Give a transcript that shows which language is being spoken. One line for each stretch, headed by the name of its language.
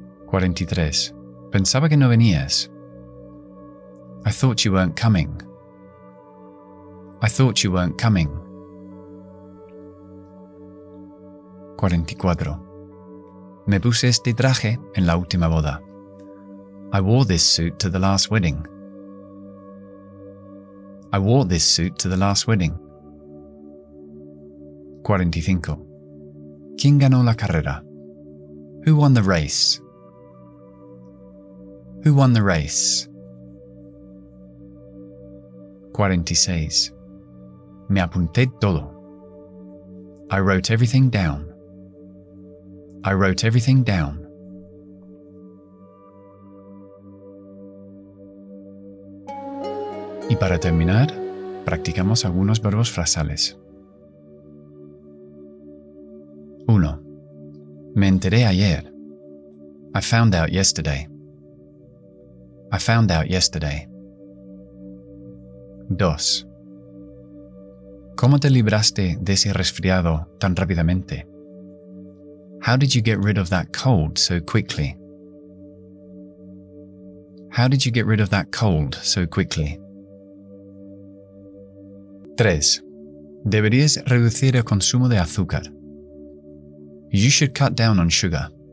Spanish: 43. Pensaba que no venías.
English: I thought you weren't coming. I thought you weren't coming. 44.
Spanish: Me puse este traje en la última boda.
English: I wore this suit to the last wedding. I wore this suit to the last wedding.
Spanish: 45. ¿Quién ganó la carrera?
English: Who won the race? Who won the race?
Spanish: 46. Me apunté todo.
English: I wrote everything down. I wrote everything down.
Spanish: 46. Y para terminar, practicamos algunos verbos frasales. 1. Me enteré ayer.
English: I found out yesterday. I found out yesterday. 2.
Spanish: ¿Cómo te libraste de ese resfriado tan rápidamente?
English: How did you get rid of that cold so quickly? How did you get rid of that cold so quickly?
Spanish: 3. Deberías reducir el consumo de azúcar.
English: You should cut down on sugar.